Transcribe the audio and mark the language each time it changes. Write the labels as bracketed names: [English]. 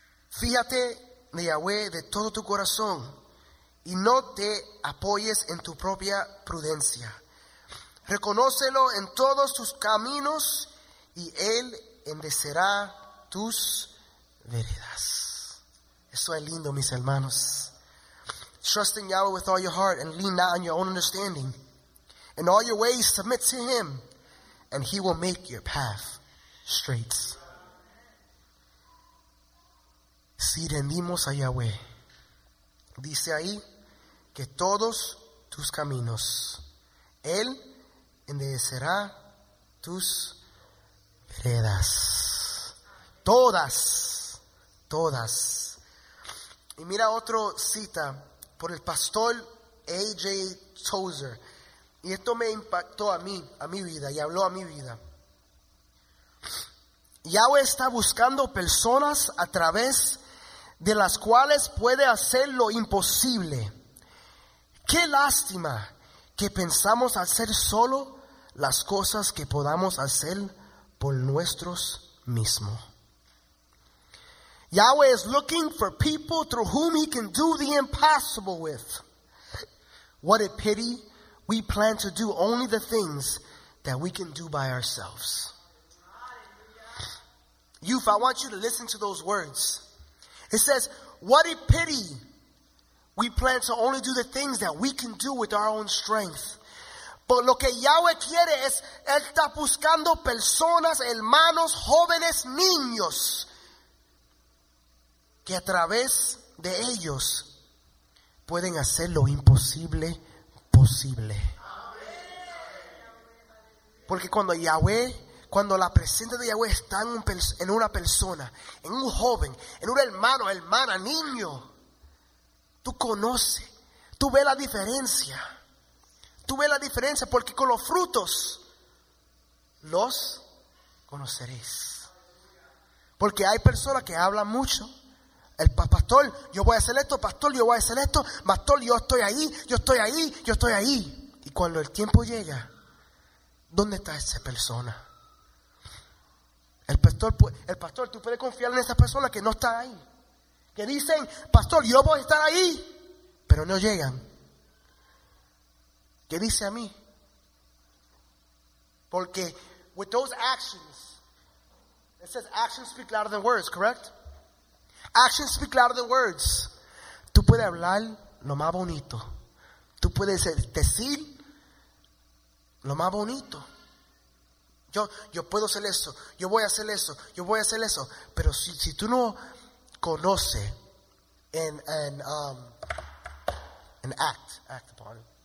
[Spanish] Fíjate de Yahweh de todo tu corazón y no te apoyes en tu propia prudencia. Reconócelo en todos tus caminos y Él enderezará tus veredas. Eso es lindo, mis hermanos. [English] Trust in Yahweh with all your heart and lean not on your own understanding. In all your ways submit to Him and He will make your path straight. [Spanish] Si rendimos a Yahweh, dice ahí que todos tus caminos, Él enderezará tus veredas. Todas. Todas. Y mira otra cita por el pastor A.J. Tozer. Y esto me impactó a mi vida, y habló a mi vida. Yahweh está buscando personas a través de las cuales puede hacer lo imposible. Qué lástima que pensamos hacer solo las cosas que podamos hacer por nuestros mismos. [English] Yahweh is looking for people through whom he can do the impossible with. What a pity we plan to do only the things that we can do by ourselves. Youth, I want you to listen to those words. It says, what a pity we plan to only do the things that we can do with our own strength. [Spanish] Por lo que Yahweh quiere es, él está buscando personas, hermanos, jóvenes, niños, que a través de ellos pueden hacer lo imposible posible. Porque cuando Yahweh, cuando la presencia de Yahweh está en una persona, en un joven, en un hermano, hermana, niño, tú conoces, tú ves la diferencia. Tú ves la diferencia porque con los frutos los conoceréis. Porque hay personas que hablan mucho. El pastor, yo voy a hacer esto, pastor, yo voy a hacer esto, pastor, yo estoy ahí, yo estoy ahí, yo estoy ahí. Y cuando el tiempo llega, ¿dónde está esa persona? El pastor, tú puedes confiar en esa persona que no está ahí. Que dicen, pastor, yo voy a estar ahí, pero no llegan. ¿Qué dice a mí? Porque [English] with those actions, it says actions speak louder than words, correct? Actions speak louder than words. [Spanish] Tú puedes hablar lo más bonito. Tú puedes decir lo más bonito. Yo puedo hacer eso. Yo voy a hacer eso. Yo voy a hacer eso. Pero si tú no conoces [English] an act upon.